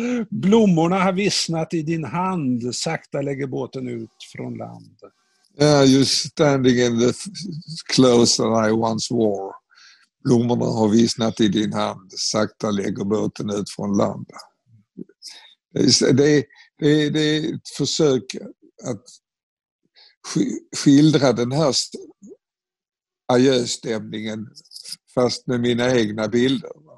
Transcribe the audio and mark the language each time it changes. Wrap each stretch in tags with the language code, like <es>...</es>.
<sv>Blommorna har vissnat i din hand, sakta lägger båten ut från land.</sv> <en>Ja, just standing in the clothes that I once wore.</en> <sv>Blommorna har vissnat i din hand, sakta lägger båten ut från land. Det är ett försök att skildra den här adjöstämningen fast med mina egna bilder.</sv>